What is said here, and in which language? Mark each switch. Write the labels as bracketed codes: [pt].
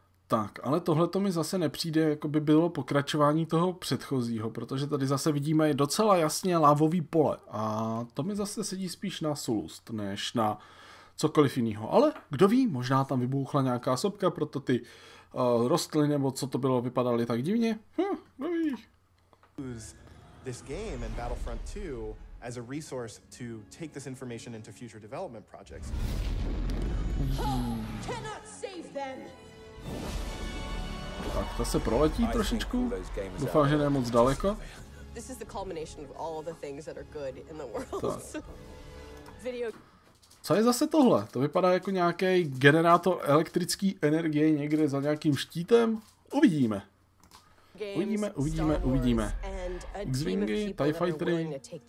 [cs] Tak, ale tohle to mi zase nepřijde, jako by bylo pokračování toho předchozího, protože tady zase vidíme docela jasně lávový pole a to mi zase sedí spíš na Sulust, než na cokoliv jiného. Ale kdo ví, možná tam vybuchla nějaká sopka, proto ty rostly nebo co to bylo, vypadaly tak divně. Kdo ví. [en] This game in Battlefront 2 as a resource to take this information into future development projects. Cannot save them. [cs] Tak to se proletí trošičku. Doufám, že ne moc daleko. [en] This is the culmination of all the things that are good in the world. [cs] Video. Co je zase tohle? To vypadá jako nějaký generátor elektrické energie někde za nějakým štítem. Uvidíme. Uvidíme, uvidíme, uvidíme. X-wingy, TIE Fightery.